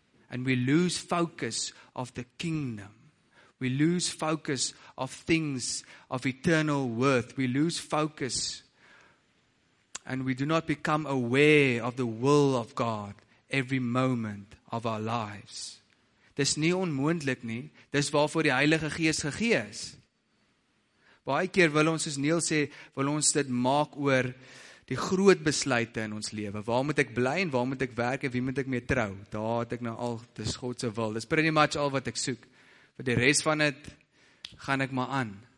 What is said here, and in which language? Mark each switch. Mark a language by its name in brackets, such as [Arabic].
[English] And we lose focus of the kingdom. We lose focus of things of eternal worth. We lose focus and we do not become aware of the will of God every moment of our lives. [Afrikaans] Dis nie onmoontlik nie. Dis waarvoor die Heilige Gees gegee is. Baie keer wil ons, soos Neil sê, wil ons dit maak oor die groot besluite in ons lewe. Waar moet ek bly en waar moet ek werk en wie moet ek mee trou? Daar het ek nou al, dis God se wil. Dis [English] pretty much [Afrikaans] al wat ek soek. Die rest van het, gaan ek maar aan.